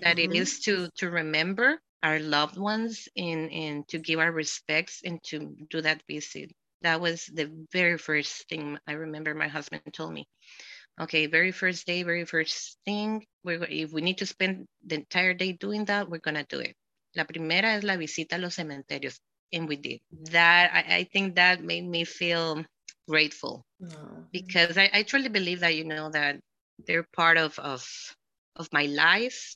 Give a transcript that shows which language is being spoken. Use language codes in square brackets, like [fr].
[en] that it is to remember our loved ones and to give our respects and to do that visit. That was the very first thing I remember my husband told me. Okay, very first day, very first thing. If we need to spend the entire day doing that, we're gonna do it. [es] La primera es la visita a los cementerios. [en] And we did. I think that made me feel grateful because I truly believe that, you know, that they're part of my life